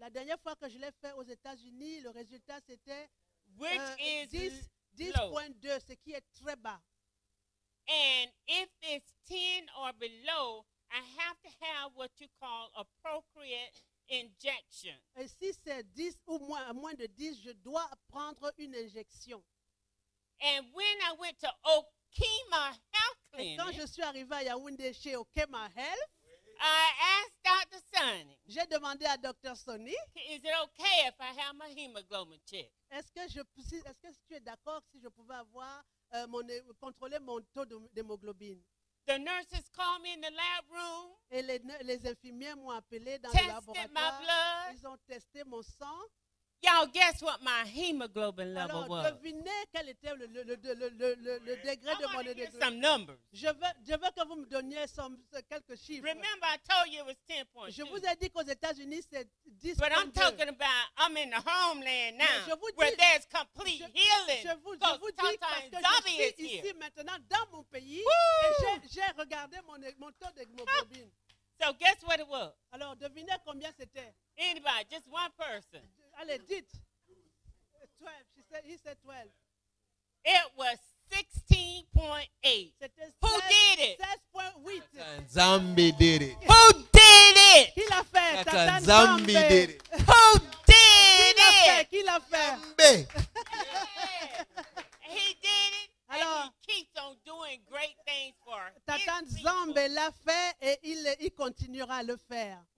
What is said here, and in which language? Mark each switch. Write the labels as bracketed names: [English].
[French] La dernière fois que je l'ai fait aux États-Unis, le résultat c'était 10.2, ce qui est très bas. [English] And if it's 10 or below, I have to have what you call appropriate injection. [French] Et si c'est 10 ou moins de 10, je dois prendre une injection. [English] And when I went to Okema Health Clinic, [French] et quand je suis arrivé à Yaoundé chez Okema Health, [English] I asked Dr. Sonny. [French] J'ai demandé à Dr. Sonny. [English] Is it okay if I have my hemoglobin checked? [French] Est-ce que tu es d'accord si je pouvais avoir contrôler mon taux d'hémoglobine? [English] The nurses called me in the lab room. [French] Et les infirmières m'ont appelé dans le laboratoire. [English] Tested my blood. [French] Ils ont testé mon sang. [English] Y'all guess what my hemoglobin level [French] alors, [English] was? [French] Alors devinez quel était le degré de mon hémoglobine. [English] Some numbers. [French] Je veux que vous me donniez quelques chiffres. [English] Remember, I told you it was 10.2. [French] Je vous ai dit qu'aux États-Unis c'est 10. [English] But I'm talking about I'm in the homeland now, where there's complete healing. [French] Je vous dis parce que Zombie je suis ici [English] here. [French] Maintenant dans mon pays. Woo! Et j'ai regardé mon taux d'hémoglobine. [English] So guess what it was? [French] Alors devinez combien c'était. [English] Anybody? Just one person. [French] Allez, dites. 12. [English] He said 12. It was 16.8. Who did it? [French] 16.8. [English] Zombie did it. Who did it? [French] Qui l'a fait? [English] Zombie. Zombie did it. Who did [French] qui [English] it? [French] Qui l'a fait? [English] Zombie. Yeah. He did it. [French] Alors, [English] and he keeps on doing great things for us. [French] Tatan Zombie l'a fait et il continuera à le faire.